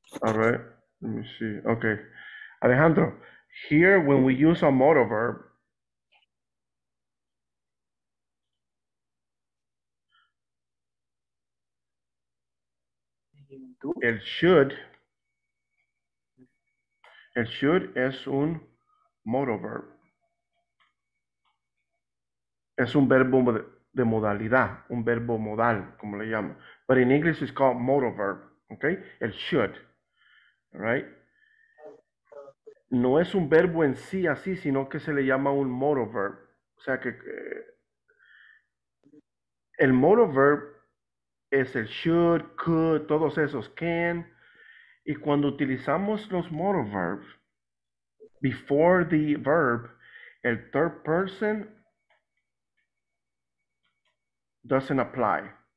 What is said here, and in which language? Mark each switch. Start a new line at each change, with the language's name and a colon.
English: All right, let me see, okay. Alejandro, here when we use a modal verb,
Spanish: El should es un modal verb. Es un verbo de modalidad, un verbo modal, como le llaman.
English: But in English it's called modal verb, okay?
Spanish: El should, right? No es un verbo en sí así, sino que se le llama un modal verb. O sea que el modal verb es el should, could, todos esos, can. Y cuando utilizamos los
English: modal verbs, before the verb, el third person doesn't apply.